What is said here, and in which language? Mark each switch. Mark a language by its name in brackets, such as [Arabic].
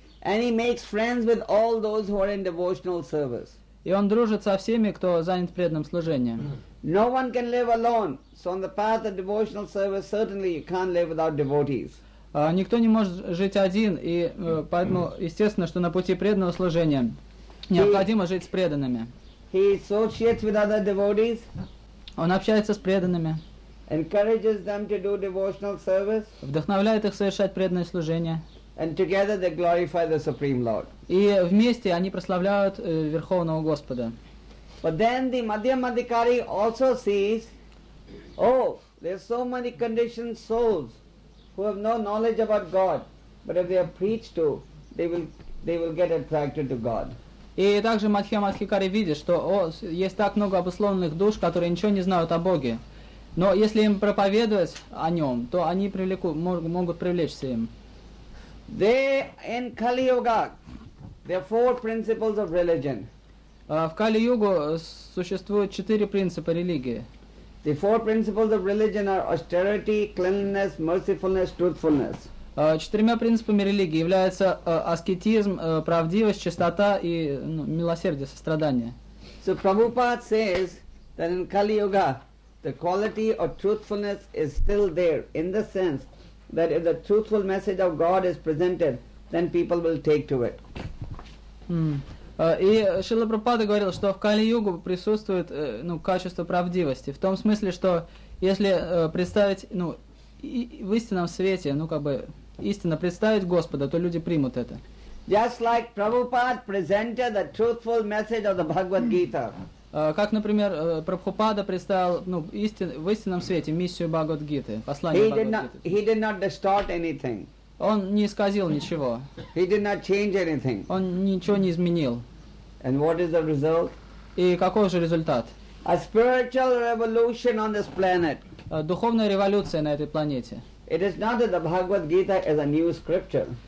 [English] And he makes friends with all those who are in devotional service. [Russian] И он дружит со всеми, кто занят преданным служением. [English] No one can live alone. So on the path of devotional service, certainly you can't live without devotees. [Russian] Никто не может жить один, и поэтому естественно, что на пути преданного служения необходимо жить с преданными. [English] He associates with other devotees. [Russian] Он общается с преданными. [English] Encourages them to do devotional service. [Russian] Вдохновляет их совершать преданное служение. [English] And together they glorify the Supreme Lord. [Russian] И вместе они прославляют Верховного Господа. [English] But then the Madhyam Adhikari also sees, oh, there are so many conditioned souls who have no knowledge about God, but if they are preached to, they will get attracted to God. [Russian] И также Мадхьям Адхикари видит, что есть так много обусловленных душ, которые ничего не знают о Боге. Но если им проповедовать о нем, то они могут привлечься им. [English] They in Kali Yuga, there are four principles of religion. [Russian] В Кали-Югу существует четыре принципа религии. [English] The four principles of religion are austerity, cleanliness, mercifulness, truthfulness. [Russian] Четырьмя принципами религии являются аскетизм, правдивость, чистота и милосердие, сострадание. [English] So Prabhupada says that in Kali Yuga, the quality of truthfulness is still there in the sense that if the truthful message of God is presented, then people will take to it. [Russian] И Шрила Прабхупада говорил, что в Кали-Югу присутствует качество правдивости, в том смысле, что если представить в истинном свете, истинно представить Господа, то люди примут это. [English] Just like Prabhupada presented the truthful message of the Bhagavad Gita. [Russian] Как, например, Прабхупада представил в истинном свете миссию Бхагавад-гиты, послание [English] Бхагавад-гиты. He did not distort anything. [Russian] Он не исказил ничего. [English] He did not change anything. [Russian] Он ничего не изменил. [English] And what is the result? [Russian] И каков же результат? [English] A spiritual revolution on this planet. [Russian] Духовная революция на этой планете. [English] It is not that the Bhagavad-gita is a new scripture.